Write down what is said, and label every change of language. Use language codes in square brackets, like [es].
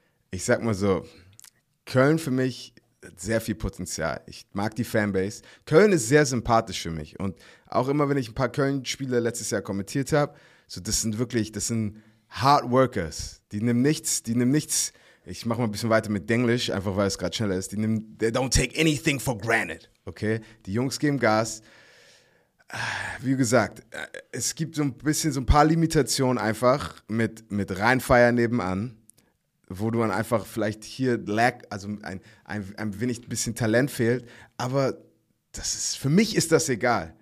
[de] Ich sag mal so, Köln für mich hat sehr viel Potenzial. Ich mag die Fanbase. Köln ist sehr sympathisch für mich. Und auch immer, wenn ich ein paar Köln-Spiele letztes Jahr kommentiert habe, so, das sind Hard Workers. Die nehmen nichts. Ich mache mal ein bisschen weiter mit Denglisch, einfach weil es gerade schneller ist. [en] They don't take anything for granted. [de] Okay? Die Jungs geben Gas. Wie gesagt, es gibt so ein bisschen, so ein paar Limitationen einfach mit Rheinfeier nebenan, wo du dann einfach vielleicht hier lag, also ein wenig ein bisschen Talent fehlt, aber das ist, für mich ist das egal.